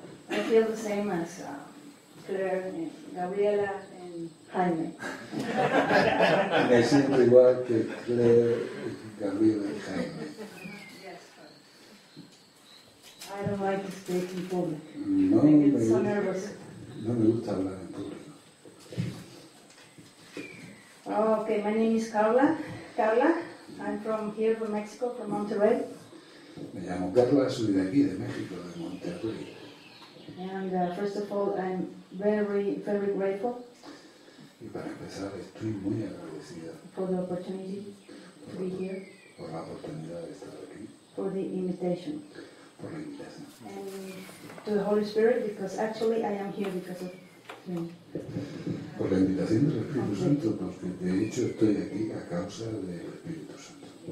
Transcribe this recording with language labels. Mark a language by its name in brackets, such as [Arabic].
[English] I feel the same as Claire and Gabriela and Jaime. [Spanish] Me siento igual que Claire, Gabriela y Jaime. [English] Yes, I don't like to speak in public. [Spanish] No, [English] I get so nervous. [Spanish] No me gusta hablar en público. [English] Okay, my name is Carla. Carla, I'm from here from Mexico, from Monterrey. [Spanish] Me llamo Carla, soy de aquí, de México, de Monterrey. [English] And first of all, I'm very, very grateful. [Spanish] Y para empezar, estoy muy agradecida. [English] For the opportunity to be here. [Spanish] Por la oportunidad de estar aquí. [English] For the invitation. [Spanish] Por la invitación. [English] And to the Holy Spirit, because actually I am here because of him. [Spanish] Por la invitación del Espíritu Santo, porque de hecho estoy aquí a causa del Espíritu Santo.